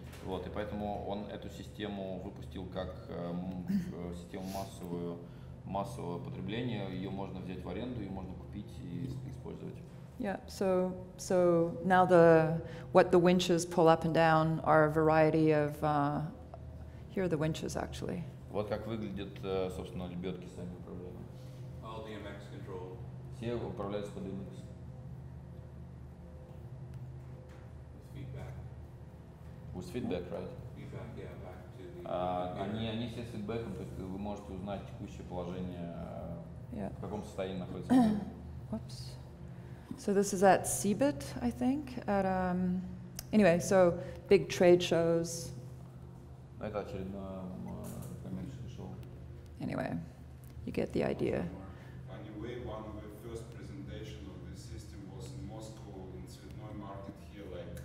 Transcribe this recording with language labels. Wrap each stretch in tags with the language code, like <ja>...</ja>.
<ru>Вот, и поэтому он эту систему выпустил как систему массового потребления. Ее можно взять в аренду, ее можно купить и использовать.</ru> <en>Yeah, so now what the winches pull up and down are a variety of here are the winches actually.</en> <ru>Вот как выглядят, собственно, лебедки сами управления.</ru> <en>All DMX control.</en> <ru>Все управляются под DMX.</ru> <en>With feedback, right? Feedback, yeah, back to the</en> <ru>они все с фидбэком, то есть вы можете узнать текущее положение,</ru> <en>yeah.</en> <ru>В каком состоянии находится.</ru> <en>Whoops. So this is at CeBIT, I think. At anyway, so big trade shows.</en> <ru>Это очередное коммерческое шоу.</ru> <en>Anyway, you get the idea. Anyway, one of the first presentation of this system was in Moscow in Svetnoy Market here, like.</en>